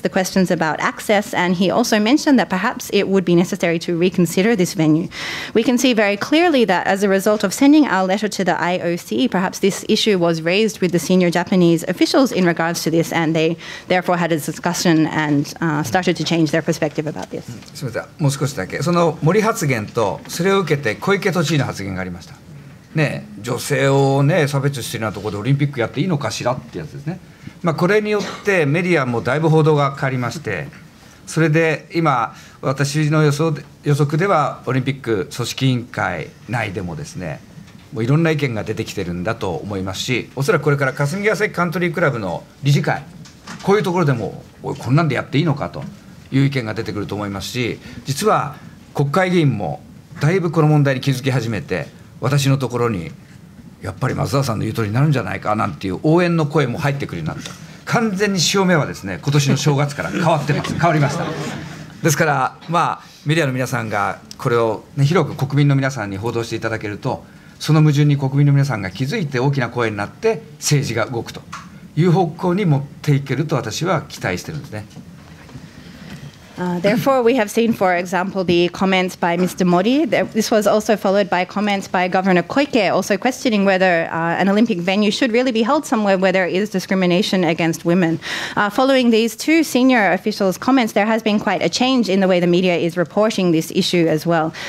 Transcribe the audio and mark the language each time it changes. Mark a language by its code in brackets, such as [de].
[en] The questions about access, and he also mentioned that perhaps it would be necessary to reconsider this venue. We can see very clearly that as a result of sending our letter to the IOC, perhaps this issue was raised with the senior Japanese officials in regards to this, and they therefore had a discussion and started to change their perspective about this. [ja] すみません、もう少しだけ。その森発言とそれを受けて小池都知事の発言がありました。ね、女性を、ね、差別しているようなところでオリンピックやっていいのかしらってやつですね。まあ、これによってメディアもだいぶ報道が変わりまして、それで今私の予測ではオリンピック組織委員会内でもですね、もういろんな意見が出てきてるんだと思いますし、おそらくこれから霞ヶ関カントリークラブの理事会、こういうところでもおいこんなんでやっていいのかという意見が出てくると思いますし、実は国会議員もだいぶこの問題に気づき始めて、私のところにやっぱり松田さんの言う通りになるんじゃないかなんていう応援の声も入ってくるようになった。完全に潮目はですね、今年の正月から変わってます、変わりました。ですから、まあ、メディアの皆さんがこれを、ね、広く国民の皆さんに報道していただけると、その矛盾に国民の皆さんが気づいて大きな声になって政治が動くという方向に持っていけると私は期待してるんですね。 [en] Therefore, we have seen, for example, the comments by Mr. Mori. This was also followed by comments by Governor Koike, also questioning whether an Olympic venue should really be held somewhere where there is discrimination against women. Following these two senior officials' comments, there has been quite a change in the way the media is reporting this issue as well.